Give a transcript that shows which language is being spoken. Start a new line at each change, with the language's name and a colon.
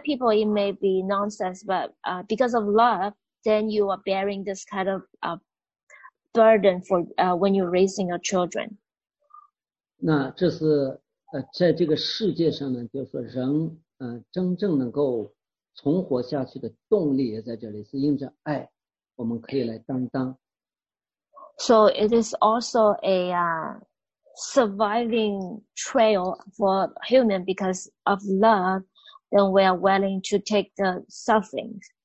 English: to other people, it may be nonsense, but because of love, then you are bearing this kind of burden for when you're raising your children.
Chinese: 那这是在这个世界上呢，就是说人真正能够。存活下去的动力也在这里，是因着爱，我们可以来担当。So
English: it is also a surviving trail for human because of love, then we are willing to take the suffering.